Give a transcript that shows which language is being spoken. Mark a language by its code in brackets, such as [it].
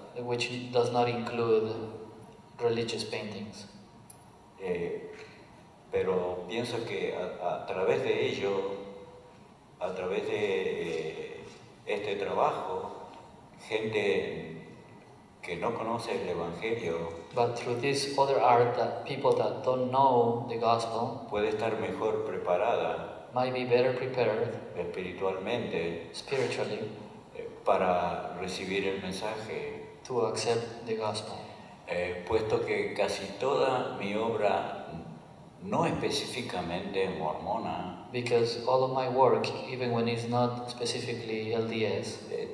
[en] Which does not include religious paintings. [es] Pero pienso que a través de ello, a través de este trabajo, gente que no conoce el Evangelio, [en] but through this other art that people that don't know the gospel, [es] puede estar mejor preparada, [en] might be better prepared, [es] espiritualmente, [en] spiritually, [es] para recibir el mensaje, [en] to accept the gospel. [es] Puesto que casi toda mi obra no específicamente mormona, [en] because all of my work, even when it's not specifically LDS,